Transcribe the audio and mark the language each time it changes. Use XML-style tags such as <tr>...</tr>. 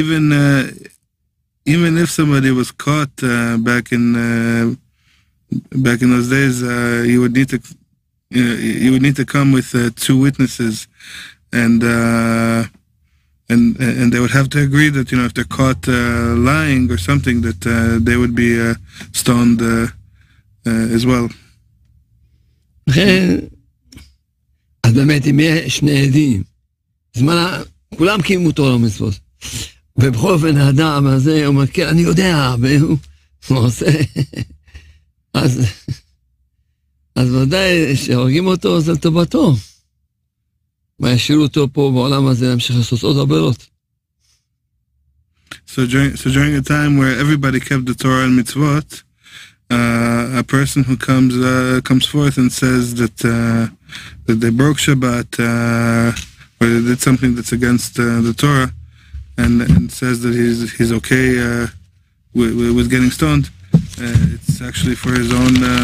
<en>Even if somebody was caught back in those days, you would need to come with two witnesses, and they would have to agree that, you know, if they're caught lying or something, that they would be stoned as well.</en> <he>אז באמת, אם יהיה שני עדים, זמן, כולם קיימו תורה ומצוות, ובכל אופן האדם הזה אומר, כן, אני יודע, והוא עושה, אז ודאי שהורגים אותו, זה לטובתו. מהשירו אותו פה בעולם הזה להמשיך לעשות עוד עבירות.</he> <en>So during a time where everybody kept the Torah and mitzvot, a person who comes forth and says that that they broke Shabbat or they did something that's against the Torah, and says that he's okay with getting stoned, it's actually for his own</en>